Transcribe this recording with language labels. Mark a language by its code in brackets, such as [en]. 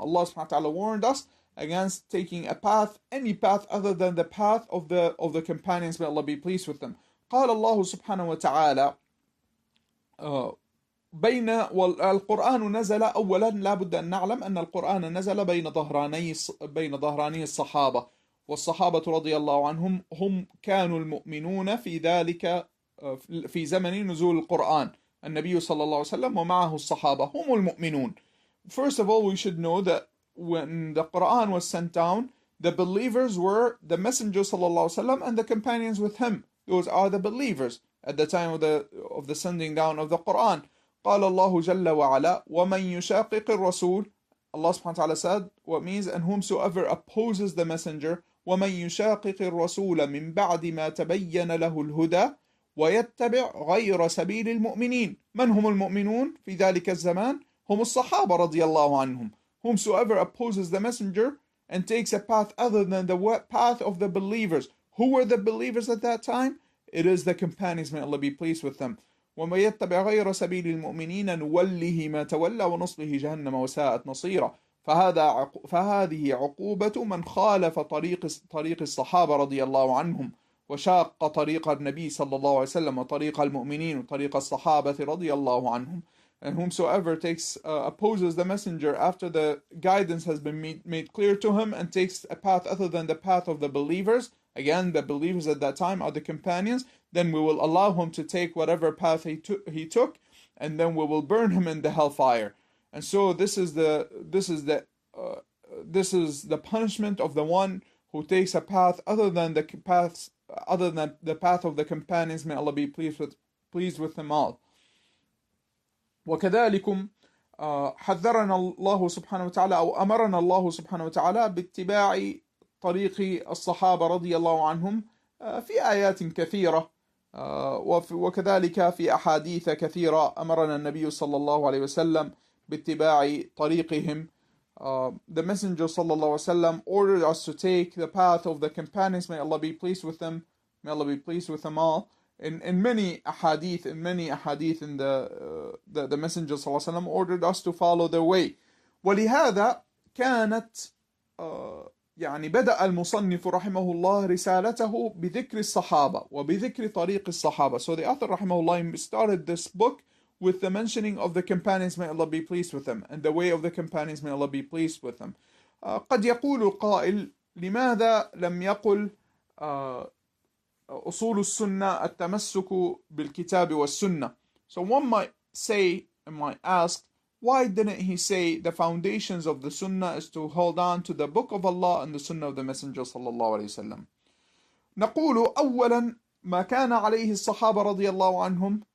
[en] Allah [ar] سبحانه وتعالى [en] warned us against taking a path, any path other than the path of the companions. May Allah be pleased with them. [ar] قال الله سبحانه وتعالى بين والقرآن نزل أولا. لا بد أن نعلم أن القرآن نزل بين ظهراني الصحابة. والصحابة رضي الله عنهم هم كانوا المؤمنون في ذلك في زمن نزول القرآن. النبي صلى الله عليه وسلم ومعه الصحابة هم المؤمنون. [en] First of all, we should know that when the Quran was sent down, the believers were the messenger [ar] صلى الله عليه وسلم [en] and the companions with him. Those are the believers at the time of the sending down of the Quran. [ar] قال الله جل وعلا ومن يشاقق الرسول. [en] Allah [ar] subhanahu wa ta'ala [en] said, what means, and whomsoever opposes the messenger, [ar] وَمَنْ يُشَاقِقِ الرَّسُولَ مِنْ بَعْدِ مَا تَبَيَّنَ لَهُ الْهُدَى وَيَتَّبِعْ غَيْرَ سَبِيلِ الْمُؤْمِنِينَ. من هم المؤمنون في ذلك الزمان؟ هم الصحابة رضي الله عنهم. [en] Whomsoever opposes the messenger and takes a path other than the path of the believers. Who were the believers at that time? It is the companions. May Allah be pleased with them. [ar] وَمَنْ يَتَّبِعْ غَيْرَ سَبِيلِ الْمُؤْمِنِينَ نُوَلِّهِ مَا تَوَلَّى وَنُصْلِهِ جَهَنَّمَ وَسَاءَتْ مَصِيرًا. فهذه عقوبة من خالف طريق الصحابة رضي الله عنهم وشاق طريق النبي صلى الله عليه وسلم وطريق المؤمنين وطريق الصحابة رضي الله عنهم. [en] And whomsoever takes opposes the messenger after the guidance has been made clear to him and takes a path other than the path of the believers, again, the believers at that time are the companions, then we will allow him to take whatever path he took, and then we will burn him in the hellfire. And so this is the punishment of the one who takes a path other than the path of the companions. May Allah be pleased with them all. [ar] وكذلكم حذرنا الله سبحانه وتعالى أو أمرنا الله سبحانه وتعالى باتباع طريق الصحابة رضي الله عنهم في آيات كثيرة وكذلك في أحاديث كثيرة. أمرنا النبي صلى الله عليه وسلم باتباع طريقهم. [en] The Messenger [ar] صلى الله عليه وسلم [en] ordered us to take the path of the companions. May Allah be pleased with them. May Allah be pleased with them all. In many ahadith, the Messenger [ar] صلى الله عليه وسلم [en] ordered us to follow their way. [ar] ولهذا كانت يعني بدأ المصنف رحمه الله رسالته بذكر الصحابة وبذكر طريق الصحابة. [en] So the author [ar] رحمه الله [en] started this book with the mentioning of the companions, may Allah be pleased with them, and the way of the companions, may Allah be pleased with them. [ar] قد يقول القائل لماذا لم يقل أصول السنة التمسك بالكتاب والسنة. [en] So one might say and might ask, why didn't he say the foundations of the Sunnah is to hold on to the Book of Allah and the Sunnah of the Messenger [ar] صلى الله عليه وسلم. نقول أولا ما كان عليه الصحابة رضي الله عنهم